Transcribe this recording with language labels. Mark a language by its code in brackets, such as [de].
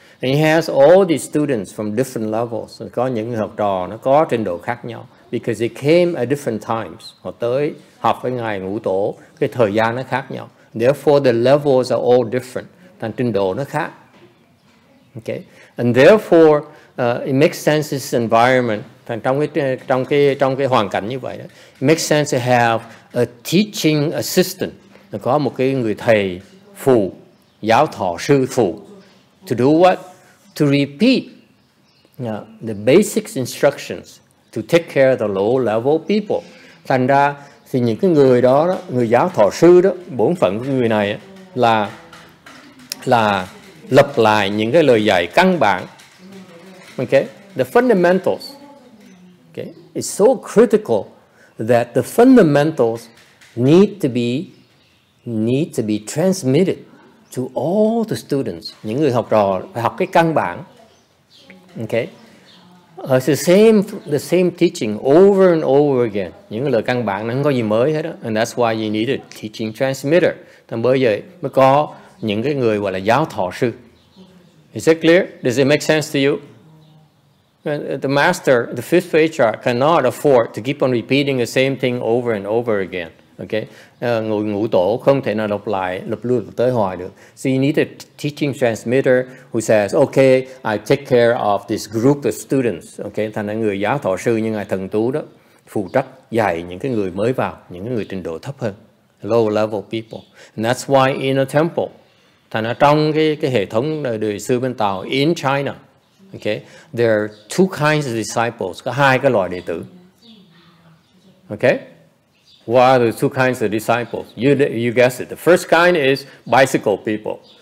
[en] And he has all these students from different levels. [vi] Có những học trò nó có trình độ khác nhau. [en] Because they came at different times. [vi] Họ tới học với ngài ngũ tổ, cái thời gian nó khác nhau. [en] Therefore, the levels are all different. [vi] Thành trình độ nó khác. [en] Okay. And therefore, it makes sense this environment. [vi] Thành trong cái hoàn cảnh như vậy đó, [en] it makes sense to have a teaching assistant. [vi] Có một cái người thầy phụ, giáo thọ sư phụ. [en] To do what? To repeat the basic instructions. To take care of the low level people. [vi] Thành ra thì những cái người đó, người giáo thọ sư đó, bổn phận của người này là lập lại những cái lời dạy căn bản. [en] Okay, the fundamentals. Okay, it's so critical that the fundamentals need to be transmitted to all the students. [vi] Những người học trò phải học cái căn bản. [en] Okay. It's the same teaching over and over again. [vi] Những lời căn bản nó không có gì mới hết đó. [en] And that's why you need a teaching transmitter. [vi] Thành bởi vậy mới có những cái người gọi là giáo thọ sư. [en] Is it clear? Does it make sense to you? The master, the fifth patriarch, cannot afford to keep on repeating the same thing over and over again. Okay? [vi] Người ngũ tổ không thể nào lặp lại tới hoài được. [en] So you need a teaching transmitter who says, okay, I take care of this group of students. Okay? [vi] Thành là người giáo thọ sư như ngài thần tú đó, phụ trách dạy những cái người mới vào, những cái người trình độ thấp hơn, [en] low level people. And that's why in a temple, [vi] thành là trong cái hệ thống đời sư bên Tàu, [en] in China, okay, there are two kinds of disciples, [vi] có hai cái loại đệ tử. [en] Okay? What are the two kinds of disciples? You guess it. The first kind is bicycle people.